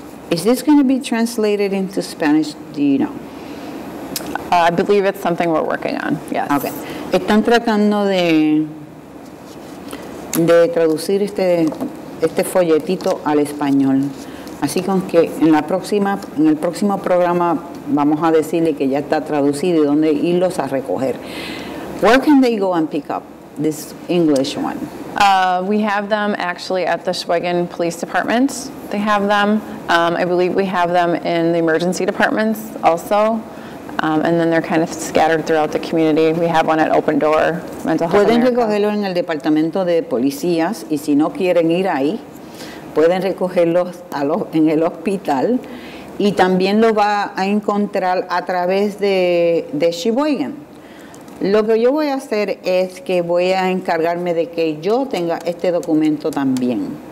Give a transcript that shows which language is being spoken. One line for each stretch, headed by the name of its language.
English: Is this going to be translated into Spanish? Do you know? I believe it's something we're working on. Yes. Okay.
Spanish: Están tratando de traducir este folletito al español. Así que en el próximo programa vamos a decirle que ya está traducido y dónde irlos a recoger.
English: Where can they go and pick up this English one? We have them actually at the Sheboygan Police Department. They have them. I believe we have them in the emergency departments also. And then they're kind of scattered throughout the community. We have one at Open Door Mental Health.
Spanish: Pueden recogerlo en el departamento de policías, y si no quieren ir ahí, pueden recogerlo en el hospital, y también lo va a encontrar a través de Sheboygan. Lo que yo voy a hacer es que voy a encargarme de que yo tenga este documento también.